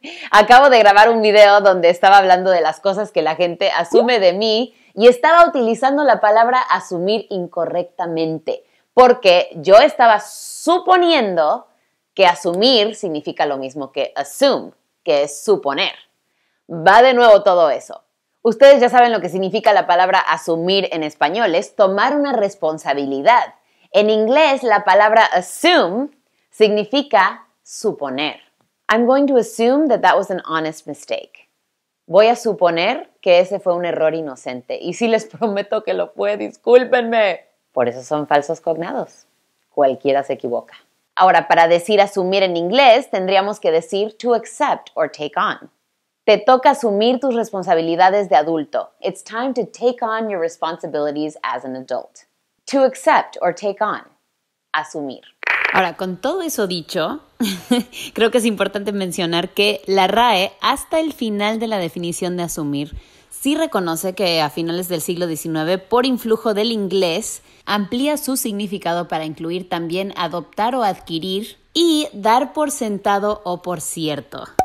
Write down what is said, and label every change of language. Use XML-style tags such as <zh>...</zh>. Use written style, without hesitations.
<es>Acabo de grabar un video donde estaba hablando de las cosas que la gente asume de mí y estaba utilizando la palabra asumir incorrectamente porque yo estaba suponiendo que asumir significa lo mismo que assume, que es suponer. Va de nuevo todo eso. Ustedes ya saben lo que significa la palabra asumir en español, es tomar una responsabilidad. En inglés, la palabra assume significa suponer.</es> <en>I'm going to assume that that was an honest mistake.</en> <es>Voy a suponer que ese fue un error inocente. Y sí les prometo que lo fue, discúlpenme. Por eso son falsos cognados. Cualquiera se equivoca. Ahora, para decir asumir en inglés, tendríamos que decir</es> <en>to accept or take on.</en> <es>Te toca asumir tus responsabilidades de adulto.</es> <en>It's time to take on your responsibilities as an adult. To accept or take on. Asumir.</en> <es>Ahora, con todo eso dicho, creo que es importante mencionar que la RAE, hasta el final de la definición de asumir, sí reconoce que a finales del siglo XIX, por influjo del inglés, amplía su significado para incluir también adoptar o adquirir y dar por sentado o por cierto.</es>